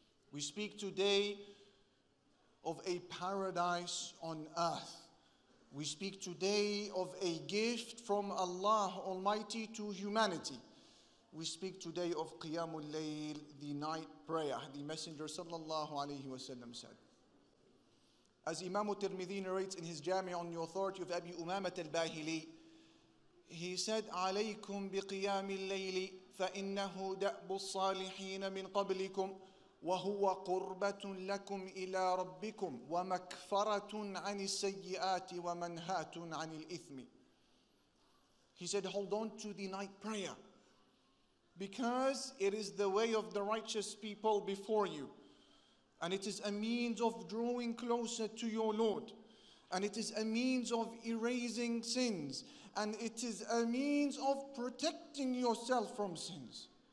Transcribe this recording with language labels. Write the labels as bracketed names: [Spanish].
[English] We speak today of a paradise on earth. We speak today of a gift from Allah Almighty to humanity. We speak today of Qiyamul Layl, the night prayer, the Messenger sallallahu alayhi wasallam said. As Imam Tirmidhi narrates in his Jami on the authority of Abi Umamah al-Bahili, he said, [Arabic] عليكم بقيام الليل فإنه دأب الصالحين من قبلكم وهو قربة لكم إلى ربكم ومكفرة عن السيئات ومنهاة عن الإثم. [English] He said, hold on to the night prayer, because it is the way of the righteous people before you, and it is a means of drawing closer to your Lord, and it is a means of erasing sins, and it is a means of protecting yourself from sins.